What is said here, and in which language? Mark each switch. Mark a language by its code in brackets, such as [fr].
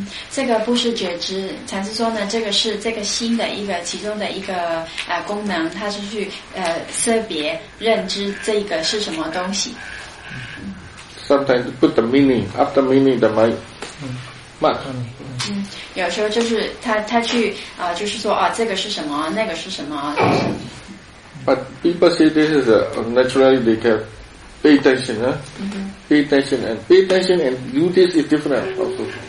[zh] 这个不是觉知，禅师说呢，这个是这个心的一个其中的一个功能，它是去识别认知这个是什么东西。 [en] Sometimes put the meaning after meaning the mind. Mind. [zh] 有时候就是他去就是说啊，这个是什么，那个是什么。 [en] But people say this is naturally they can. Pay attention, huh? Mm-hmm. Pay attention and do this is different also.